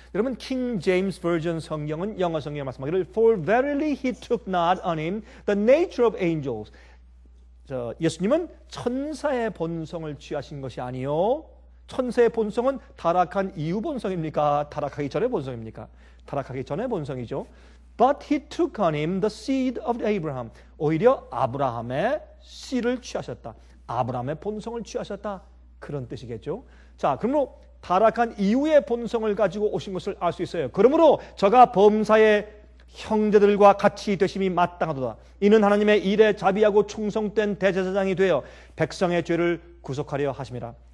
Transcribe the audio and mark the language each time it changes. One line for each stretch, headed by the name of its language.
Korean: 여러분 킹 제임스 버전 성경은 영어 성경의 말씀하기를
English: For verily he took not on him the nature of angels.
Korean: 저 예수님은 천사의 본성을 취하신 것이 아니요 천사의 본성은 타락한 이후 본성입니까? 타락하기 전의 본성입니까? 타락하기 전의 본성이죠.
English: But he took on him the seed of Abraham.
Korean: 오히려 아브라함의 씨를 취하셨다. 아브라함의 본성을 취하셨다. 그런 뜻이겠죠. 자, 그러므로 타락한 이후의 본성을 가지고 오신 것을 알 수 있어요. 그러므로 저가 범사에 형제들과 같이 되심이 마땅하도다. 이는 하나님의 일에 자비하고 충성된 대제사장이 되어 백성의 죄를 구속하려 하심이라.